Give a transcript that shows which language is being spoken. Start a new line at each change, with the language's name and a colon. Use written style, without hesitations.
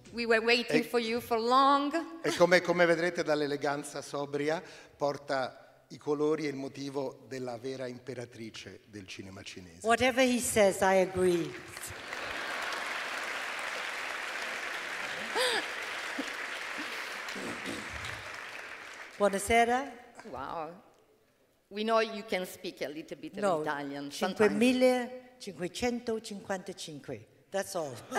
English: were waiting for you for long.
Italian: E come vedrete dall'eleganza sobria, porta i colori e il motivo della vera imperatrice del cinema cinese.
English: Whatever he says, I agree.
Italian: Buonasera. Wow.
English: We know you can speak a little bit no, of Italian. 5555. That's all.